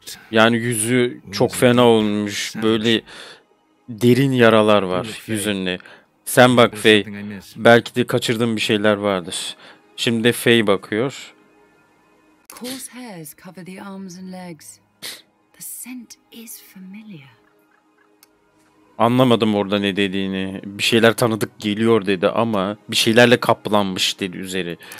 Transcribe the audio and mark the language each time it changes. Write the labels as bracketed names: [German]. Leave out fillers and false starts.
[Turkish] Yani yüzü çok fena olmuş, böyle derin yaralar var yüzünde. Sen bak Faye, belki de kaçırdığın bir şeyler vardır. Şimdi Faye bakıyor. [English] Coarse hairs cover the arms and legs. The scent is familiar. [Turkish] Anlamadım orada ne dediğini. Bir şeyler tanıdık geliyor dedi ama bir şeylerle kaplanmış dedi üzeri.